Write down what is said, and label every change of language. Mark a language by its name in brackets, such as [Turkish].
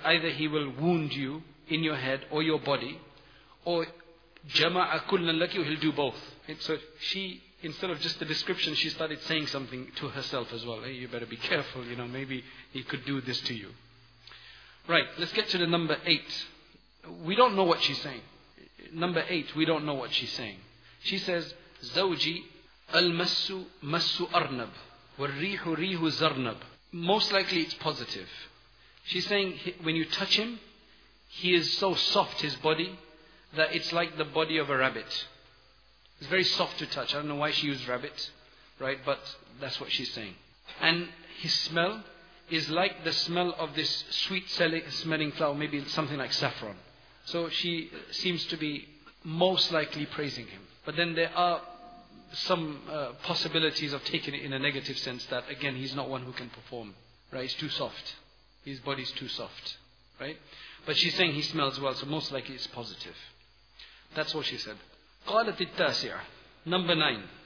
[English] Either he will wound you in your head or your body, or [Arabic] جَمَعَ كُلًّا لَكِ, [English] he'll do both. Right? So she, instead of just the description, she started saying something to herself as well. Hey, you better be careful, maybe he could do this to you. Right, let's get to the number 8. We don't know what she's saying. Number 8, we don't know what she's saying. She says, [Arabic] زوجي المسو مسو أرنب والريح ريح زرنب. [English] Most likely it's positive. She's saying, when you touch him, he is so soft, his body, that it's like the body of a rabbit. It's very soft to touch. I don't know why she used rabbit, right? But that's what she's saying. And his smell is like the smell of this sweet smelling flower, maybe something like saffron. So she seems to be most likely praising him. But then there are some possibilities of taking it in a negative sense that, again, he's not one who can perform. Right? He's too soft. His body's too soft. Right? But she's saying he smells well, so most likely it's positive. That's what she said. [Arabic] قَالَتِ التَّاسِعَ [English] Number 9.